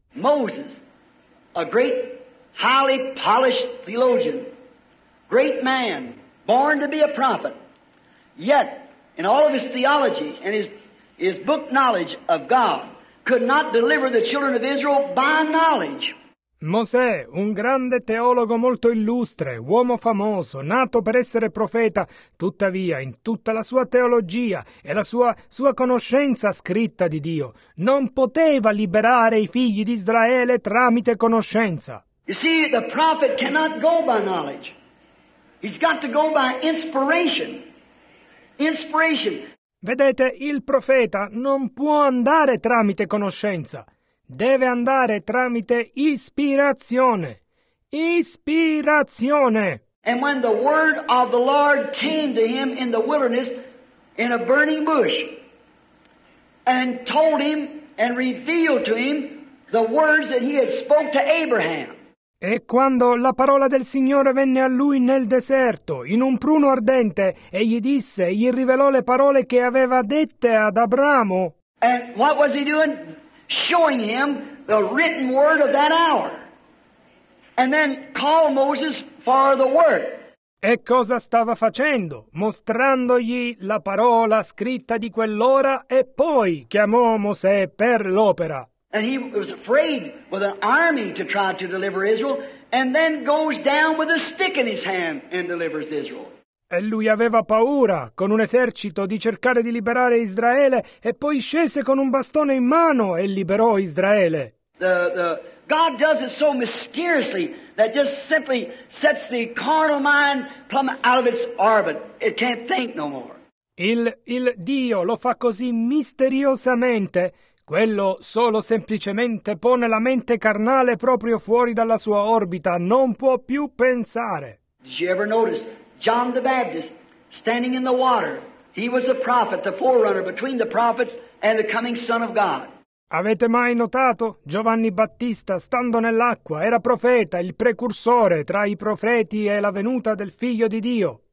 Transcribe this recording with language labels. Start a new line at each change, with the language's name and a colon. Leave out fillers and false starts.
English: Moses, a great, highly polished theologian, great man, born to be a prophet, yet in all of his theology and his book knowledge of God, could not deliver the children of Israel by knowledge.
Italian: Mosè, un grande teologo molto illustre, uomo famoso, nato per essere profeta, tuttavia in tutta la sua teologia e la sua conoscenza scritta di Dio, non poteva liberare i figli di Israele tramite conoscenza.
English: You see, the prophet cannot go by knowledge. He's got to go by inspiration. Inspiration.
Italian: Vedete, il profeta non può andare tramite conoscenza. Deve andare tramite ispirazione. Ispirazione!
English: And when the word of the Lord came to him in the wilderness in a burning bush and told him and revealed to him the words that he had spoke to Abraham.
Italian: E quando la parola del Signore venne a lui nel deserto, in un pruno ardente, e gli disse, e gli rivelò le parole che aveva dette ad Abramo.
English: And what was he doing? Showing him the written word of that hour. And then called Moses for the word.
Italian: E cosa stava facendo? Mostrandogli la parola scritta di quell'ora e poi chiamò Mosè per l'opera.
English: And he was afraid with an army to try to deliver Israel, and then goes down with a stick in his hand and delivers Israel.
Italian: E lui aveva paura con un esercito di cercare di liberare Israele, e poi scese con un bastone in mano e liberò Israele.
English: God does it so mysteriously that just simply sets the carnal mind plumb out of its orbit. It can't think no more.
Italian: Il Dio lo fa così misteriosamente. Quello solo semplicemente pone la mente carnale proprio fuori dalla sua orbita, non può più pensare.
English: Did you ever notice John the Baptist standing in the water? He was a prophet, the forerunner between the prophets and the coming Son of God.
Italian: Avete mai notato Giovanni Battista stando nell'acqua? Era profeta, il precursore tra i profeti e la venuta del Figlio di Dio.